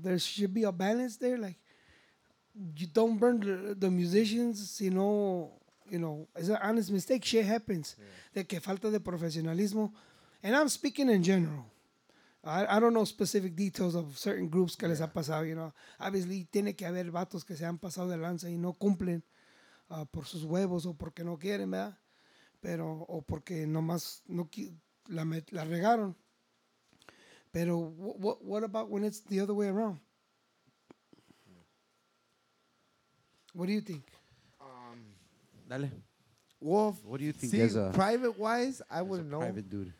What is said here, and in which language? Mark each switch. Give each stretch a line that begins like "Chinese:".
English: There should be a balance there. Like, you don't burn the musicians. You know, it's an honest mistake. Shit happens. Yeah.
Spanish: De que falta de profesionalismo.
English: And I'm speaking in general. I don't know specific details of certain groups
Spanish: que les ha pasado,
English: you know.
Spanish: Obviously, tiene que haber vatos que se han pasado de lanza y no cumplen por sus huevos o porque no quieren, ¿verdad? Pero, o porque nomás no, la regaron. Pero,
English: what about when it's the other way around? What do you think?
Spanish: Dale.
English: Wolf, what do you think? See, private-wise, I wouldn't know. Private dude.